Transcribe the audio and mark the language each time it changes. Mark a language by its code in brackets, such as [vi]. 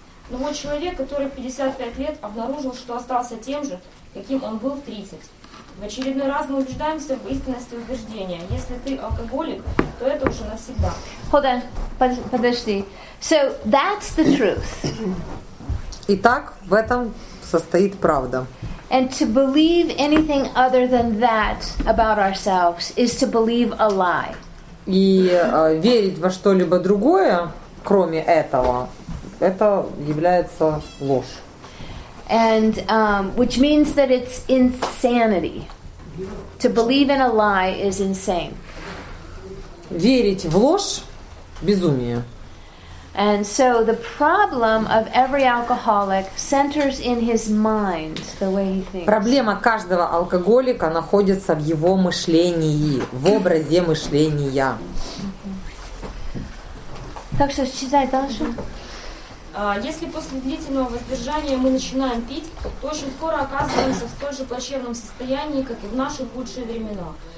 [ru] Но вот человек, который в 55 лет обнаружил, что остался тем же, каким он был в 30. В очередной раз мы убеждаемся в истинности убеждения. Если ты алкоголик, то это уже навсегда. [en] Hold on, [ru] подожди. [en] So that's the truth. [ru] Итак, в этом состоит правда. [en] And to believe anything other than that about ourselves is to believe a lie. [ru] И верить во что-либо другое, кроме этого, это является ложь. [en] And which means that it's insanity. To believe in a lie is insane. [ru] Верить в ложь – безумие. [en] And so the problem of every alcoholic centers in his mind, the way he thinks. [ru] Проблема каждого алкоголика находится в его мышлении, в образе мышления. Так что читай дальше. Если после длительного воздержания мы начинаем пить, то очень скоро оказываемся в столь же плачевном состоянии, как и в наши худшие времена.